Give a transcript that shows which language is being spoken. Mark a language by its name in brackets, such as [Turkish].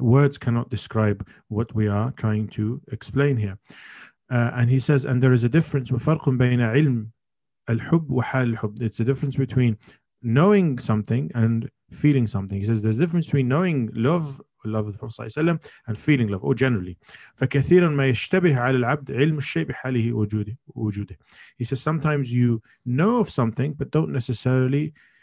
[English] Words cannot describe what we are trying to explain here. And he says, and there is a difference. [Arabic] وفرق بين علم الحب وحال الحب. [English] It's a difference between knowing something and feeling something. He says, there's a difference between knowing love of the Prophet صلى الله عليه وسلم, and feeling love, or generally. [Arabic] فكثيرا ما يشتبه على العبد علم الشيء بحاله وجوده. [English] He says, sometimes you know of something, but don't necessarily